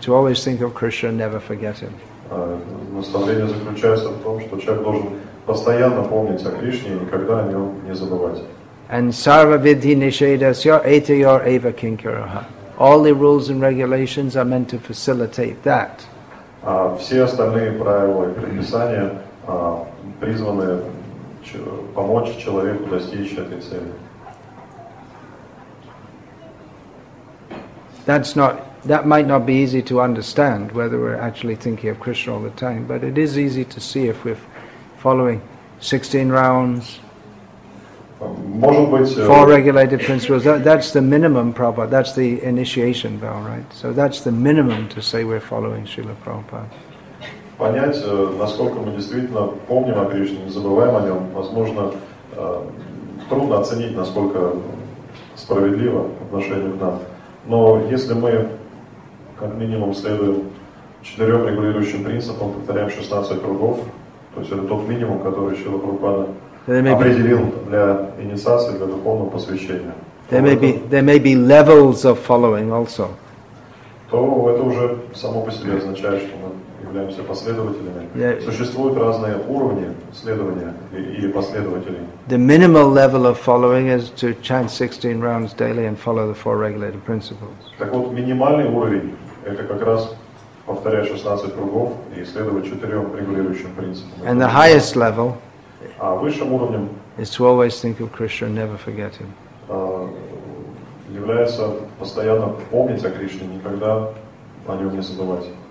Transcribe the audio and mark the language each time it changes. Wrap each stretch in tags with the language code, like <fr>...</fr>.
<en>To always think of Krishna, never forget him.</en> <ru>Наставление заключается в том, что человек должен постоянно помнить о Кришне и никогда о нем не забывать.</ru> <en>And</en> <sa>sarva vidhi nishedasya etayor eva kinkaraha.</sa> <en>All the rules and regulations are meant to facilitate that.</en> <ru>Все остальные правила и предписания призваны помочь человеку достичь этой цели.</ru> <en>That might not be easy to understand whether we're actually thinking of Krishna all the time, but it is easy to see if we're following 16 rounds, four regulated principles. That's the minimum, Prabhupada. That's the initiation vow, right? So that's the minimum to say we're following Srila Prabhupada.</en> <ru>Понять, насколько мы действительно помним о Кришне, не забываем о нем, возможно, трудно оценить, насколько справедливо отношение к нам. Но если мы как минимум следуем четырем регулирующим принципам, повторяем 16 кругов, то есть это тот минимум, который Шрила Прабхупада определил для инициации, для духовного посвящения.</ru> <en>There may be levels of following also.</en> <ru>То это уже само по себе означает, что мы являемся последователями.</ru> <en>Yeah.</en> <ru>Существуют разные уровни следования или последователей.</ru> <en>The minimal level of following is to chant 16 rounds daily and follow the four regulated principles.</en> <ru>Так вот, минимальный уровень – это как раз повторять 16 кругов и следовать четырем регулирующим принципам.</ru> <en>And the highest level</en> <ru>высшим уровнем</ru> <en>is to always think of Krishna and never forget him.</en> <ru>Является постоянно помнить о Кришне, никогда о нем не забывать.</ru>